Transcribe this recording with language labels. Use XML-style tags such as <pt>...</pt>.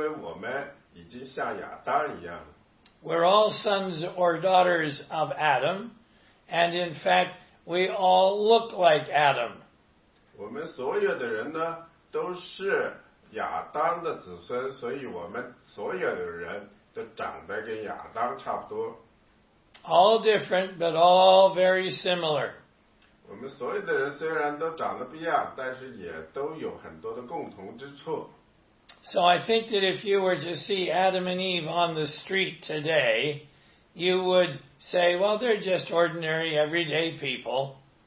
<zh>所以呢，这个原因为什么我们知道我们会将要像主耶稣一样，因为我们已经像亚当一样。</zh> <en>We're all sons or daughters of Adam. And in fact, we all look like Adam.</en> <zh>我们所有的人呢，都是亚当的子孙，所以我们所有的人都长得跟亚当差不多。</zh> <en>All different, but all very similar.</en> <zh>我们所有的人虽然都长得不一样，但是也都有很多的共同之处。</zh> <en>So I think that if you were to see Adam and Eve on the street today, you would say, well, they're just ordinary, everyday people.</en>